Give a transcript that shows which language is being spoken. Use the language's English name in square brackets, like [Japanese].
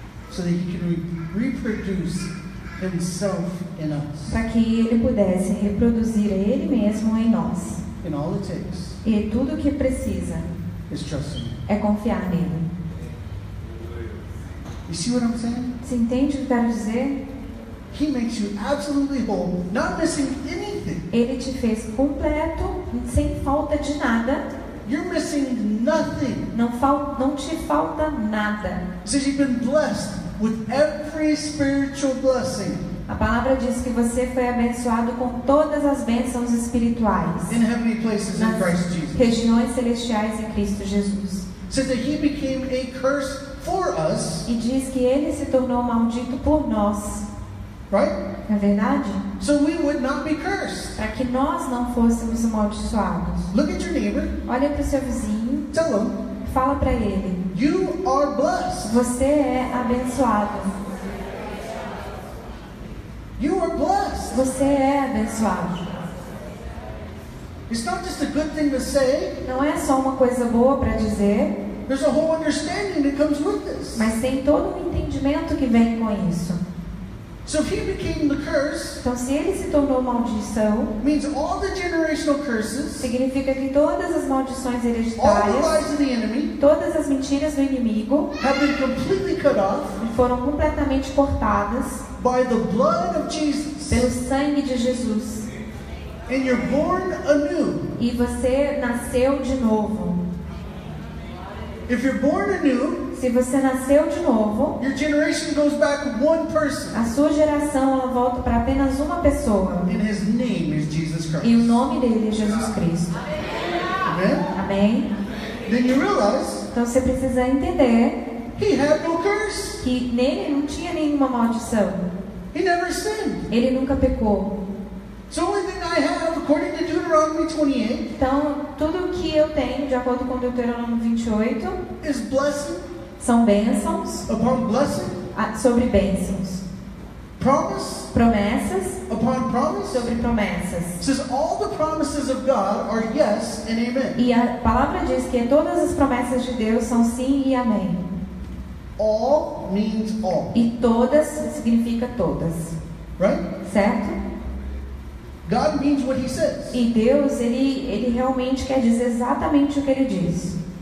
[English] So that he can reproduce himself in us. [Portuguese] Para que ele pudesse reproduzir ele mesmo em nós. [English] In all it takes. [Portuguese] E tudo o que precisa. [English] Is trusting. [Portuguese] É confiar nele. [English] You see what I'm saying? [Portuguese] Você entende o que eu quero dizer? [English] He makes you absolutely whole, not missing anything. [Portuguese] Ele te fez completo, sem falta de nada. [English] You're missing nothing. [Portuguese] Não te falta nada. [English] Says you've been blessed with every spiritual blessing. [Portuguese] A palavra diz que você foi abençoado com todas as bênçãos espirituais. [English] In heavenly places in Christ Jesus. [Portuguese] Regiões celestiais em Cristo Jesus. [English] Says that he became a curse. For us, [Portuguese] e diz que ele se tornou maldito por nós. [English] Right? [Portuguese] É verdade? [English] So we would not be cursed. [Portuguese] Para que nós não fôssemos amaldiçoados. [English] Look at your neighbor. [Portuguese] Olha para o seu vizinho. [English] Tell him. [Portuguese] Fala para ele. [English] You are blessed. [Portuguese] Você é abençoado. [English] You are blessed. [Portuguese] Você é abençoado. [English] It's not just a good thing to say. [Portuguese] Não é só uma coisa boa para dizer. [English] There's a whole understanding that comes with this. [Portuguese] Mas tem todo um entendimento que vem com isso. [English] So if he became the curse, [Portuguese] então se ele se tornou maldição, [English] means all the generational curses, [Portuguese] significa que todas as maldições hereditárias, [English] all the lies of the enemy, [Portuguese] todas as mentiras do inimigo, [English] have been completely cut off, [Portuguese] foram completamente cortadas, [English] by the blood of Jesus, [Portuguese] pelo sangue de Jesus. [English] And you're born anew. [Portuguese] E você nasceu de novo. [English] If you're born anew, [Portuguese] se você nasceu de novo, [English] your generation goes back one person. [Portuguese] A sua geração ela volta para apenas uma pessoa. [English] And his name is Jesus Christ. [Portuguese] E o nome dele é Jesus Cristo. Amém? Amém. [English] Then you realize, [Portuguese] então você precisa entender, [English] he had no curse. [Portuguese] Que nele não tinha nenhuma maldição. [English] He never sinned. [Portuguese] Ele nunca pecou. [English] So the only thing I have, according to Deuteronomy 28, [Portuguese] então, tudo o que eu tenho, de acordo com Deuteronômio 28, [English] is blessing, [Portuguese] são bênçãos, [English] upon blessing, [Portuguese] sobre bênçãos, [English] promise, [Portuguese] promessas, [English] upon promise, [Portuguese] sobre promessas. [English] It says all the promises of God are yes and amen. [Portuguese] E a palavra diz que todas as promessas de Deus são sim e amém. [English] All means all. [Portuguese] E todas significa todas. [English] Right? [Portuguese] Certo? [English] God means what he says. [Portuguese] E Deus, ele realmente quer dizer exatamente o que ele diz.